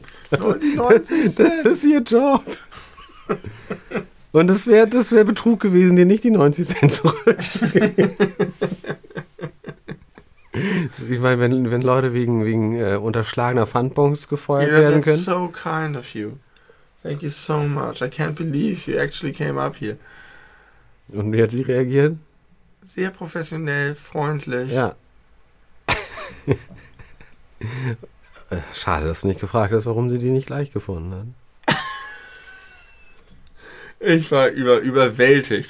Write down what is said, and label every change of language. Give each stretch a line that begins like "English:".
German: 99 Cent. Das ist ihr Job. Und das wär Betrug gewesen, dir nicht die 90 Cent zurückzugeben. Ich meine, wenn Leute wegen unterschlagener Pfandbons gefeuert werden können.
English: That's so kind of you. Thank you so much. I can't believe you actually came up here.
German: Und wie hat sie reagiert? Sehr professionell, freundlich. Ja. Schade, dass du nicht gefragt hast, warum sie die nicht gleich gefunden hat. Ich war überwältigt.